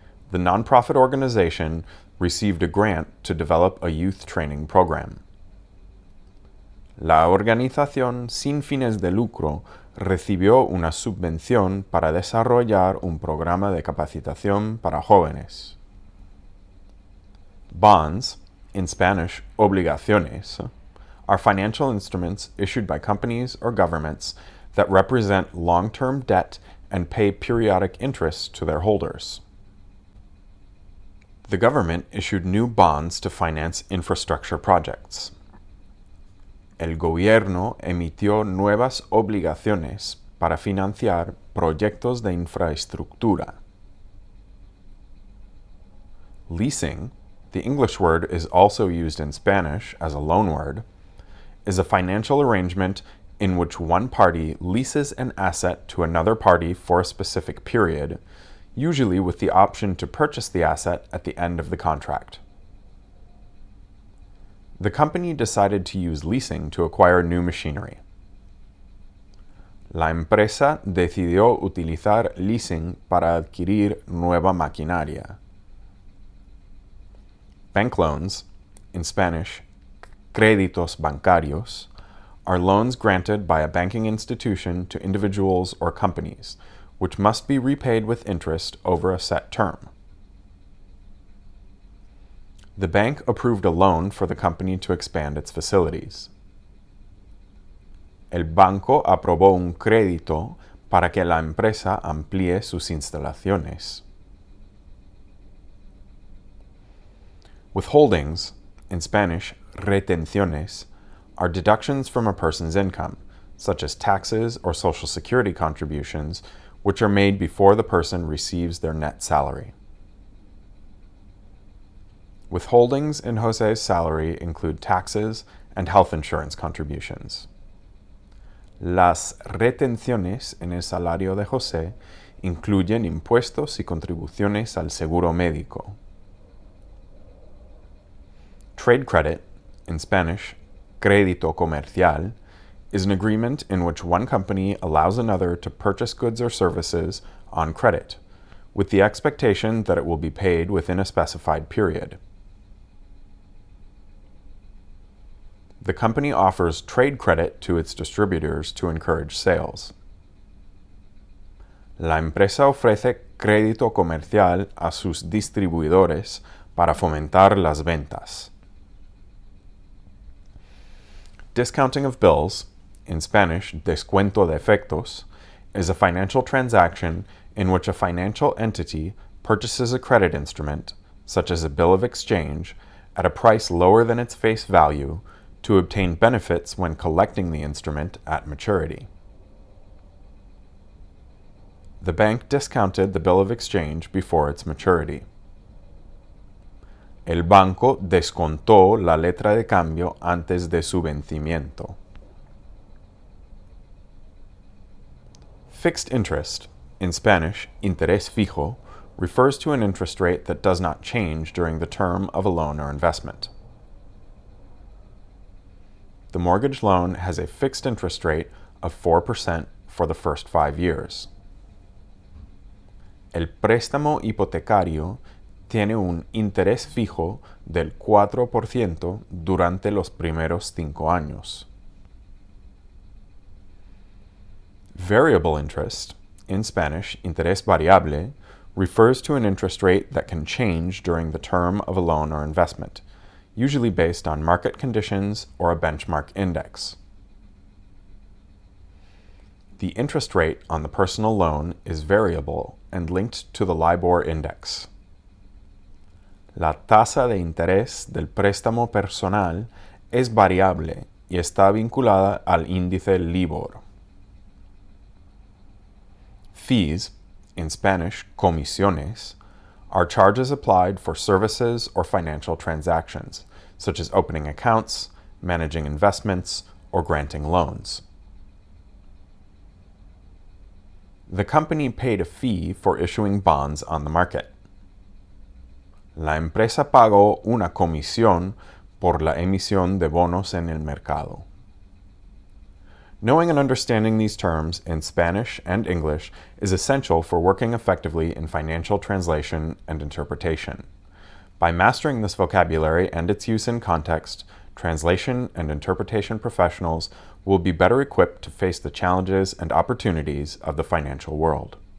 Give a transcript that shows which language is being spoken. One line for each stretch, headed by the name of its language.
English: The nonprofit organization received a grant to develop a youth training program.
Spanish: La organización sin fines de lucro recibió una subvención para desarrollar un programa de capacitación para jóvenes.
English: Bonds, in Spanish, obligaciones, are financial instruments issued by companies or governments that represent long-term debt and pay periodic interest to their holders. The government issued new bonds to finance infrastructure projects.
Spanish: El gobierno emitió nuevas obligaciones para financiar proyectos de infraestructura.
English: Leasing, the English word is also used in Spanish as a loan word, is a financial arrangement in which one party leases an asset to another party for a specific period, usually with the option to purchase the asset at the end of the contract. The company decided to use leasing to acquire new machinery.
Spanish: La empresa decidió utilizar leasing para adquirir nueva maquinaria.
English: Bank loans, in Spanish, créditos bancarios, are loans granted by a banking institution to individuals or companies, which must be repaid with interest over a set term. The bank approved a loan for the company to expand its facilities.
Spanish: El banco aprobó un crédito para que la empresa amplíe sus instalaciones.
English: Withholdings, in Spanish, retenciones, are deductions from a person's income, such as taxes or social security contributions, which are made before the person receives their net salary. Withholdings in Jose's salary include taxes and health insurance contributions.
Spanish: Las retenciones en el salario de José incluyen impuestos y contribuciones al seguro médico.
English: Trade credit, in Spanish, crédito comercial, is an agreement in which one company allows another to purchase goods or services on credit, with the expectation that it will be paid within a specified period. The company offers trade credit to its distributors to encourage sales.
Spanish: La empresa ofrece crédito comercial a sus distribuidores para fomentar las ventas.
English: Discounting of bills, in Spanish, descuento de efectos, is a financial transaction in which a financial entity purchases a credit instrument, such as a bill of exchange, at a price lower than its face value to obtain benefits when collecting the instrument at maturity. The bank discounted the bill of exchange before its maturity.
Spanish: El banco descontó la letra de cambio antes de su vencimiento.
English: Fixed interest, in Spanish, interés fijo, refers to an interest rate that does not change during the term of a loan or investment. The mortgage loan has a fixed interest rate of 4% for the first 5 years.
Spanish: El préstamo hipotecario tiene un interés fijo del 4% durante los primeros 5 años.
English: Variable interest, in Spanish, interés variable, refers to an interest rate that can change during the term of a loan or investment, usually based on market conditions or a benchmark index. The interest rate on the personal loan is variable and linked to the LIBOR index.
Spanish: La tasa de interés del préstamo personal es variable y está vinculada al índice LIBOR.
English: Fees, in Spanish, comisiones, are charges applied for services or financial transactions, such as opening accounts, managing investments, or granting loans. The company paid a fee for issuing bonds on the market.
Spanish: La empresa pagó una comisión por la emisión de bonos en el mercado.
English: Knowing and understanding these terms in Spanish and English is essential for working effectively in financial translation and interpretation. By mastering this vocabulary and its use in context, translation and interpretation professionals will be better equipped to face the challenges and opportunities of the financial world.